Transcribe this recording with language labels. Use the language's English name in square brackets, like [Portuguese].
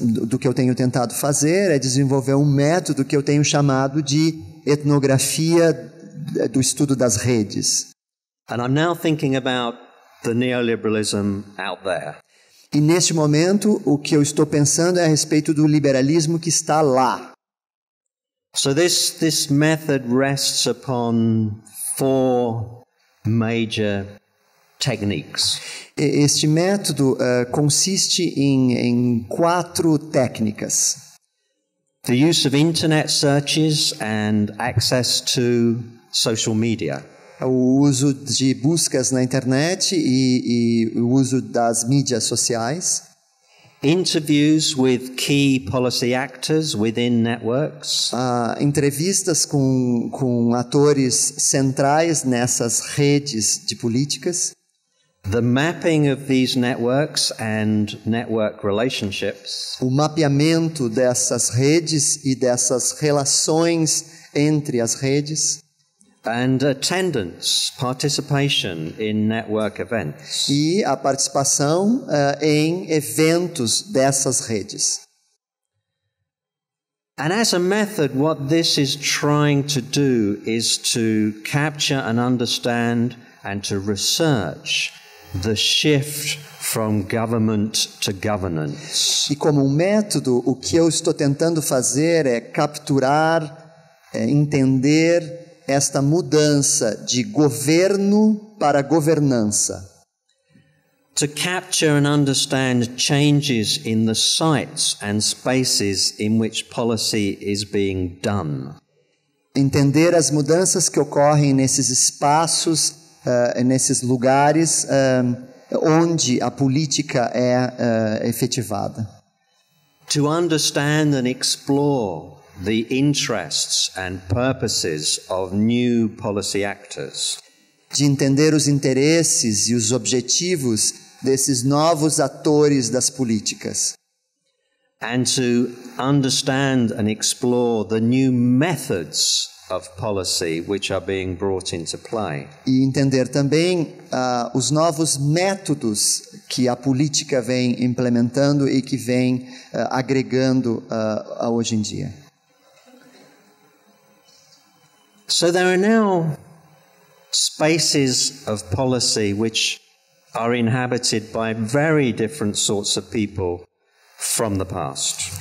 [Portuguese] Do que eu tenho tentado fazer é desenvolver um método que eu tenho chamado de etnografia do estudo das redes. [English] And I'm now thinking about the neoliberalism out there. [Portuguese] E neste momento, o que eu estou pensando é a respeito do liberalismo que está lá. [English] So this method rests upon four major techniques. [Portuguese] Este método consiste em quatro técnicas. [English] The use of internet searches and access to social media. [Portuguese] O uso de buscas na internet e o uso das mídias sociais. [English] Interviews with key policy actors within networks. [Portuguese] Entrevistas com atores centrais nessas redes de políticas. [English] The mapping of these networks and network relationships. [Portuguese] O mapeamento dessas redes e dessas relações entre as redes. [English] And attendance, participation in network events. [Portuguese] E a participação em eventos dessas redes. [English] And as a method, what this is trying to do is to capture and understand and to research the shift from government to governance. [Portuguese] E como um método, o que eu estou tentando fazer é capturar, entender esta mudança de governo para governança. [English] To capture and understand changes in the sites and spaces in which policy is being done. [Portuguese] Entender as mudanças que ocorrem nesses espaços, nesses lugares onde a política é efetivada. [English] To understand and explore the interests and purposes of new policy actors. [Portuguese] De entender os interesses e os objetivos desses novos atores das políticas. [English] And to understand and explore the new methods of policy which are being brought into play. [Portuguese] E entender também os novos métodos que a política vem implementando e que vem agregando a hoje em dia. [English] So there are now spaces of policy which are inhabited by very different sorts of people from the past.